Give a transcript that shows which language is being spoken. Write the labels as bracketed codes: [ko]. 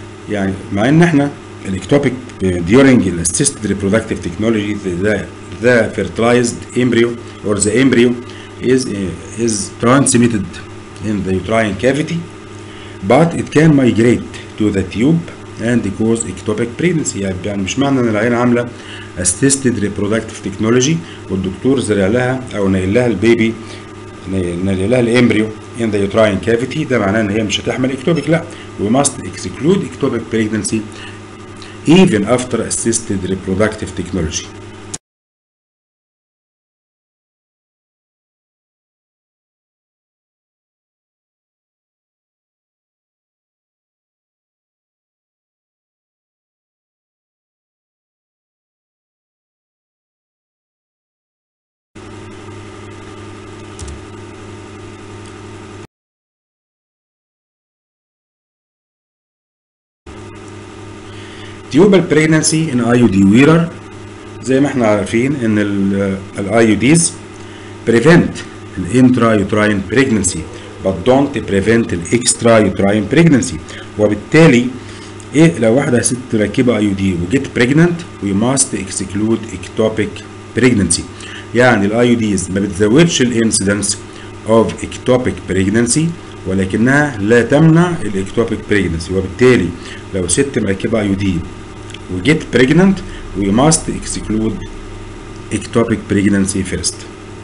[ar] يعني مع ان احنا الاكتوبيك [en] during assisted reproductive technology the fertilized embryo or the embryo is transmitted in the uterine cavity but it can migrate to the tube and cause ectopic pregnancy. [ar] يعني مش معنى ان العينه عامله assisted reproductive technology والدكتور زرع لها او نيل لها البيبي نيل لها الامبريو [en] in the uterine cavity [ar] ده معناه ان هي مش هتحمل ectopic. لا, [en] we must exclude ectopic pregnancy even after assisted reproductive technology. Tubal pregnancy in IUD wearer. [ar] زي ما احنا عارفين ان ال [en] IUDs prevent an intrauterine pregnancy but don't prevent an extrauterine pregnancy. [ar] وبالتالي ايه لو واحدة ست راكبة IUD و [en] get pregnant we must exclude ectopic pregnancy. [ar] يعني ال IUDs ما بتزودش ال [en] incidence of ectopic pregnancy [ar] ولكنها لا تمنع ال ectopic pregnancy. وبالتالي لو ست راكبة [en] IUD we get pregnant, we must exclude ectopic pregnancy first.